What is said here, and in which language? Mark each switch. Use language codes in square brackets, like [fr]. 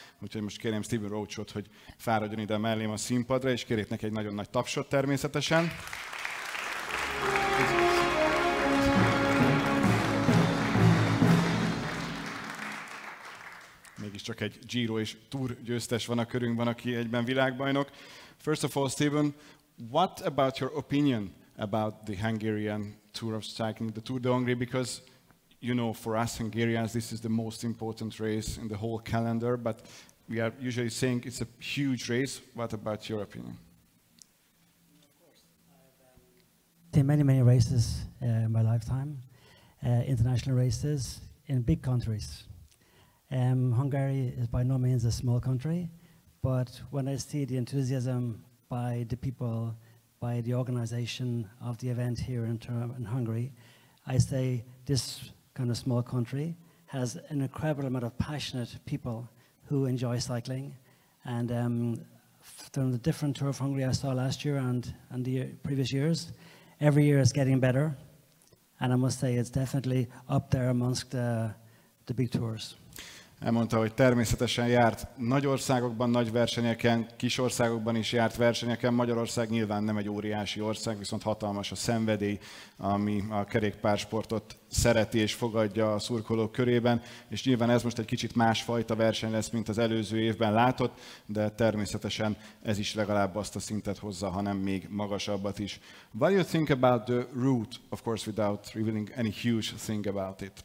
[hu] Úgyhogy most kérném Steven Roachot, hogy fáradjon ide mellém a színpadra, és kérjék neki egy nagyon nagy tapsot természetesen. Csak egy Giro és Tour győztes van a körünkben, aki egyben világbajnok. [en] First of all, Steven, what about your opinion about the Hungarian Tour of Cycling, the Tour d'Hongrie? Because, you know, for us Hungarians, this is the most important race in the whole calendar, but we are usually saying it's a huge race. What about your opinion? There are many, many races in my lifetime, international races in big countries. Hungary is by no means a small country, but when I see the enthusiasm by the people, by the organization of the event here in Hungary, I say this kind of small country has an incredible amount of passionate people who enjoy cycling. And from the different Tour of Hungary I saw last year and the previous years, every year is getting better. And I must say it's definitely up there amongst the big tours. [hu] Elmondta, hogy természetesen járt nagy országokban, nagy versenyeken, kis országokban is járt versenyeken. Magyarország nyilván nem egy óriási ország, viszont hatalmas a szenvedély, ami a kerékpársportot szereti és fogadja a szurkolók körében. És nyilván ez most egy kicsit másfajta verseny lesz, mint az előző évben látott, de természetesen ez is legalább azt a szintet hozza, hanem még magasabbat is. [en] What do you think about the route, of course, without revealing any huge thing about it?